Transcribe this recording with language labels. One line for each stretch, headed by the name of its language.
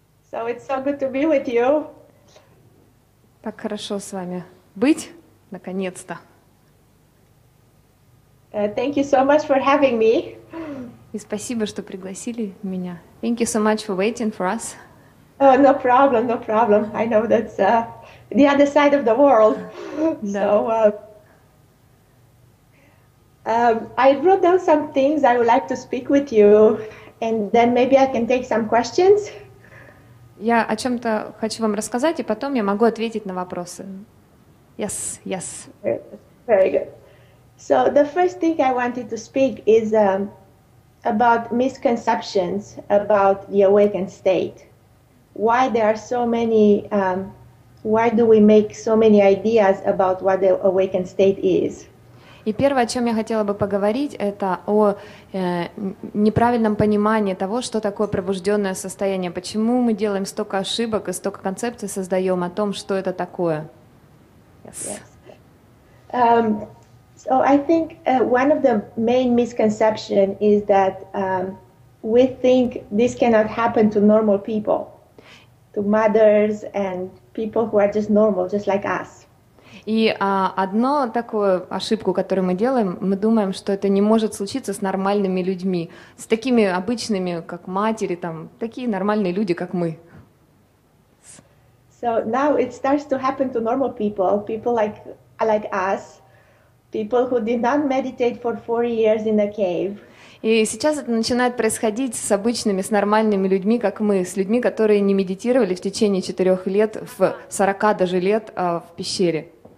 English: So it's so good to be with you.
Russian: Так хорошо с вами быть, наконец-то.
English: Thank you so much for having me.
Russian: И спасибо, что пригласили меня.
English: Thank you so much for waiting for us. Oh, no problem, no problem. I know that's the other side of the world.
Russian: Да.
English: I wrote down some things I would like to speak with you, and then maybe I can take some questions.
Russian: Я о чем-то хочу вам рассказать, и потом я могу ответить на вопросы.
English: Yes. Very good. So the first thing I wanted to speak is about misconceptions about the awakened state. Why there are so many, why do we make so many ideas about what the awakened state is?
Russian: И первое, о чем я хотела бы поговорить, это о неправильном понимании того, что такое пробужденное состояние. Почему мы делаем столько ошибок и столько концепций создаем о том, что это такое?
English: Yes. Yes. So I think one of the main misconceptions is that we think this cannot happen to normal people, to mothers and people who are just normal, just like us.
Russian: И одну такую ошибку, которую мы делаем, мы думаем, что это не может случиться с нормальными людьми, с такими обычными, как матери, там, такие нормальные люди, как мы.
English: So now it starts to happen to normal people, people like us. People who did not meditate for 4 years in a cave.
Russian: И сейчас это начинает происходить с обычными, с нормальными людьми, как мы, с людьми, которые не медитировали в течение 4 лет, в 40 даже лет, в пещере.